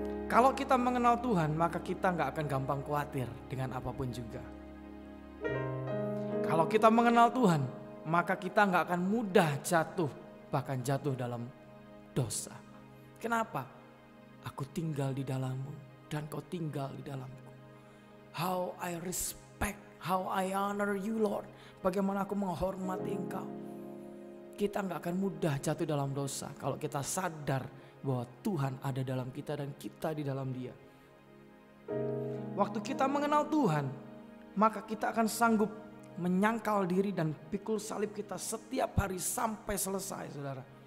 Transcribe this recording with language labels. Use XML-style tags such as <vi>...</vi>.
<id>Kalau kita mengenal Tuhan, maka kita gak akan gampang khawatir dengan apapun juga. Kalau kita mengenal Tuhan, maka kita gak akan mudah jatuh, bahkan jatuh dalam dosa. Kenapa? Aku tinggal di dalammu dan kau tinggal di dalamku.</id> <en>How I respect, how I honor you, Lord.</en> <id>Bagaimana aku menghormati engkau. Kita gak akan mudah jatuh dalam dosa kalau kita sadar bahwa Tuhan ada dalam kita dan kita di dalam Dia. Waktu kita mengenal Tuhan, maka kita akan sanggup menyangkal diri dan pikul salib kita setiap hari sampai selesai, saudara.</id>